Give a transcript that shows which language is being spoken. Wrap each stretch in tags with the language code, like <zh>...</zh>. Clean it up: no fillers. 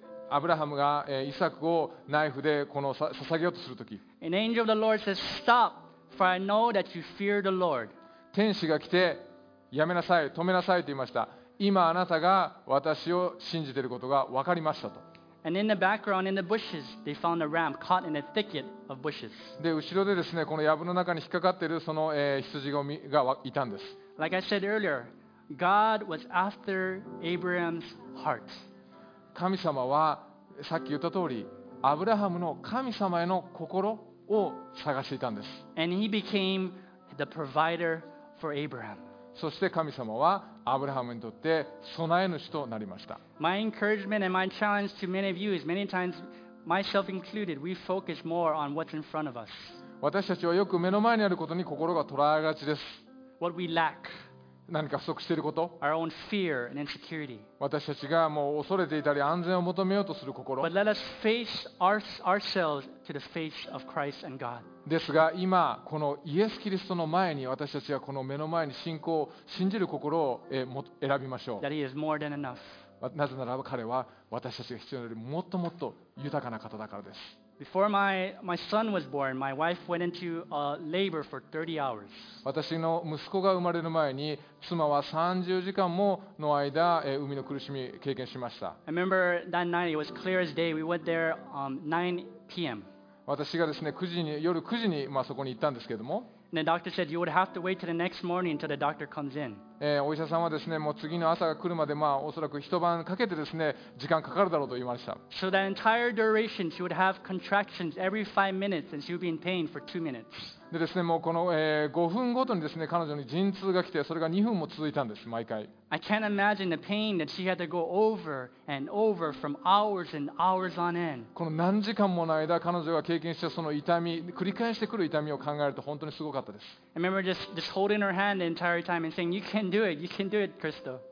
<ja>アブラハムが、イサクをナイフでこの捧げようとするとき、</ja> <en>an angel of the Lord says, stop, for I know that you fear the Lord.</en> <ja>天使が来て、やめなさい、止めなさいと言いました。今あなたが私を信じていることが分かりましたと。</ja> <en>And in the background, in the bushes, they found a ram caught in a thicket of bushes.</en> <ja>で後ろでですね、この藪の中に引っかかっているその、羊が、いたんです。</ja> <en>Like I said earlier, God was after Abraham's heart.</en> <ja>神様はさっき言った通り、アブラハムの神様への心を探していたんです。</ja> <en>And he became the provider for Abraham.</en> <ja>そして神様はアブラハムにとって備え主となりました。</ja> <en>My encouragement and my challenge to many of you is many times, myself included, we focus more on what's in front of us.</en> <ja>私たちはよく目の前にあることに心が捉えがちです。</ja> <en>What we lack.</en> <ja>何か不足していること。</ja> <en>Our own fear and insecurity.</en> <ja>私たちがもう恐れていたり安全を求めようとする心。</ja> <en>But let us face ourselves to the face of Christ and God.</en> <ja>ですが今このイエス・キリストの前に私たちはこの目の前に信仰を信じる心を選びましょう。</ja> <en>That he is more than enough.</en> <ja>なぜならば彼は私たちが必要よりもっともっと豊かな方だからです。</ja> <en>Before my son was born, my wife went into labor for 30 hours.</en> <ja>私の息子が生まれる前に妻は30時間もの間、産みの苦しみ経験しました。</ja> <en>I remember that night, it was clear as day. We went there 9 p.m.</en> <ja>私がですね、9時に夜9時に、まあ、そこに行ったんですけれども。</ja> <en>The doctor said you would have to wait till the next morning until the doctor comes in.</en> <ja>お医者さんはですね、もう次の朝が来るまで、まあ、おそらく一晩かけてですね、時間かかるだろうと言いました。</ja> <en>So the entire duration she would have contractions every 5 minutes and she would be in pain for 2 minutes.</en> <ja>でですね、もうこの、5分ごとにですね、彼女に陣痛が来て、それが2分も続いたんです、毎回。</ja> <en>I can't imagine the pain that she had to go over and over from hours and hours on end.</en> <ja>この何時間もの間、彼女が経験したその痛み、繰り返してくる痛みを考えると本当にすごかったです。</ja> <en>I remember just holding her hand the entire time and saying, "You can do it. You can do it, Crystal."</en>